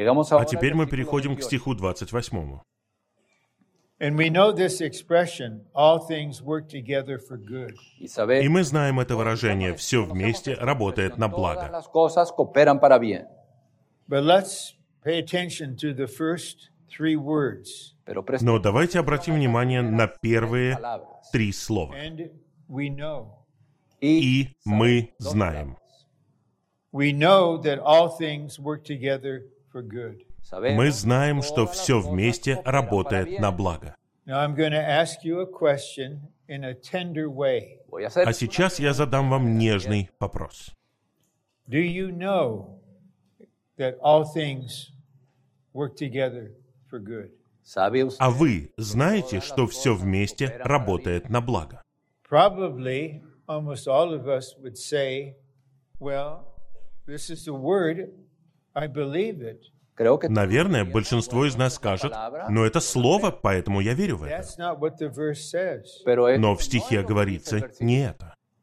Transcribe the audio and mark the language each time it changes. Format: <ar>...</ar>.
<ru>А теперь мы переходим к стиху 28.</ru> <en>And we know this expression, all things work together for good.</en> <ru>И мы знаем это выражение, все вместе работает на благо.</ru> <es>Todas las cosas cooperan para bien.</es> <en>But let's pay attention to the first three words.</en> <ru>Но давайте обратим внимание на первые три слова.</ru> <en>And we know.</en> <ru>И мы знаем.</ru> <en>We know that all things work together for good.</en> <ru>Мы знаем, что все вместе работает на благо.</ru> <en>Now I'm going to ask you a question in a tender way.</en> <ru>А сейчас я задам вам нежный вопрос.</ru> <en>Do you know that all things work together for good?</en> <ru>А вы знаете, что все вместе работает на благо?</ru> <en>Probably almost all of us would say, well, this is the word, I believe it.</en> <ru>Наверное, большинство из нас скажет, но это слово, поэтому я верю в это. Но в стихе говорится не это.</ru>